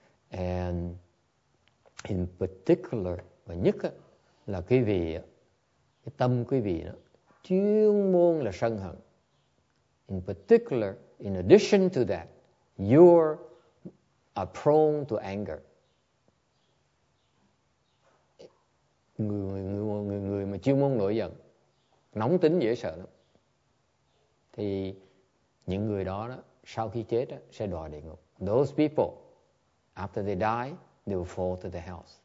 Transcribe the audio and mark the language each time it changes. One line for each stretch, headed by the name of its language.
English: And in particular,
Vietnamese: và nhất á, là quý vị, cái tâm quý vị đó chuyên môn là sân hận.
English: In particular, in addition to that, you are prone to anger.
Vietnamese: Người mà chuyên môn nổi giận, nóng tính dễ sợ lắm. Thì những người đó sau khi chết đó, sẽ đọa địa ngục.
English: Those people, after they die, they will fall to the hells.